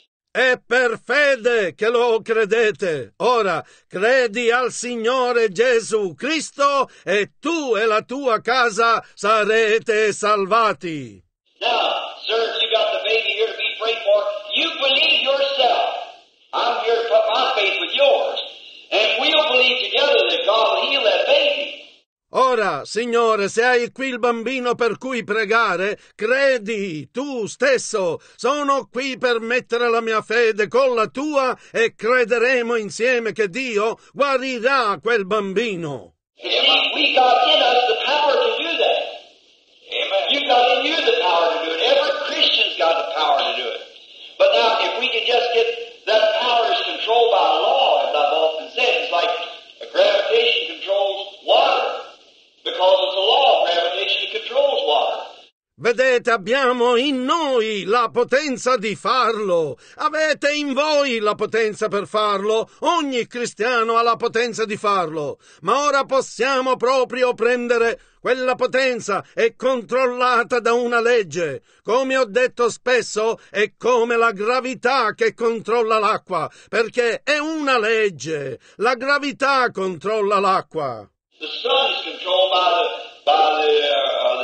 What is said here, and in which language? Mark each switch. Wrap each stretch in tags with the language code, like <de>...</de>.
<it>è per fede che lo credete. Ora, credi al Signore Gesù Cristo e tu e la tua casa sarete salvati.</it> <en>Now, sir, you got the baby here to be prayed for. You believe yourself. I'm here to put my faith with yours. And we'll believe together that God will heal that baby.</en> <it>Ora, Signore, se hai qui il bambino per cui pregare, credi tu stesso. Sono qui per mettere la mia fede con la tua e crederemo insieme che Dio guarirà quel bambino.</it> <en>Amen. We got in us the power to do that. Amen. You got in you the power to do it. Every Christian's got the power to do it. But now, if we could just get that power is controlled by law, as I've often said, it's like a gravitation controls water. Because it's a law of gravitation that controls water.</en> <it>Vedete, abbiamo in noi la potenza di farlo. Avete in voi la potenza per farlo. Ogni cristiano ha la potenza di farlo. Ma ora possiamo proprio prendere quella potenza e controllata da una legge. Come ho detto spesso, è come la gravità che controlla l'acqua. Perché è una legge. La gravità controlla l'acqua.</it> <en>The sun is controlled by the earth.</en>